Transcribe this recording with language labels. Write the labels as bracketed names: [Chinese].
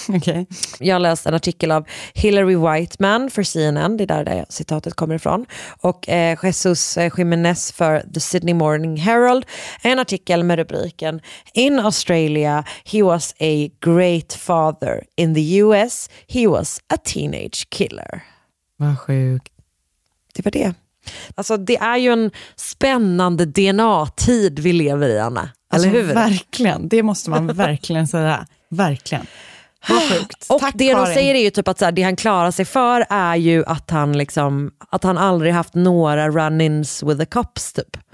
[English] Okay. [Swedish] Jag har läst en artikel av Hillary Whiteman för CNN, det är där citatet kommer ifrån, och Jesus Jimenez för The Sydney Morning Herald, en artikel med rubriken [English] "In Australia, he was a great father. In the US, he was a teenage killer." [Swedish] Vad sjukt. Det var det. Alltså det är ju en spännande DNA-tid vi lever i, Anna. Eller alltså, hur? Verkligen, det måste man verkligen säga. Verkligen. Och tack, det Karin. De säger är ju typ att så här, det han klarar sig för är ju att han liksom, att han aldrig haft några [English] run-ins with the cops [Swedish] typ.